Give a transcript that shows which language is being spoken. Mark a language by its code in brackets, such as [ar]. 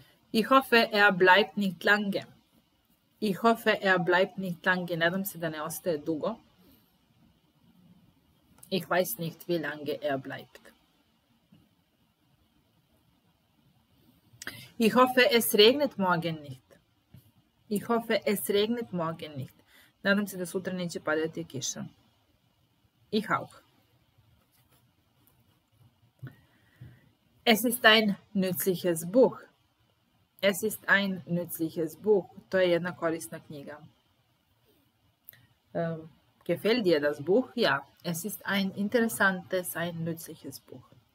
[de] Ich hoffe, er bleibt nicht lange. Ich hoffe, er bleibt nicht lange. [sr] Nadam se da ne ostaje dugo. [de] Ich weiß nicht, wie lange er bleibt. Ich hoffe, es regnet morgen nicht. Ich hoffe, es regnet morgen nicht. [sr] Nadam se da sutra neće padati kiša. [de] Ich auch. Es ist ein nützliches Buch. Es ist ein nützliches Buch. [sr] To je jedna korisna knjiga. [de] Gefällt dir das Buch? Ja, es ist ein interessantes, ein nützliches Buch.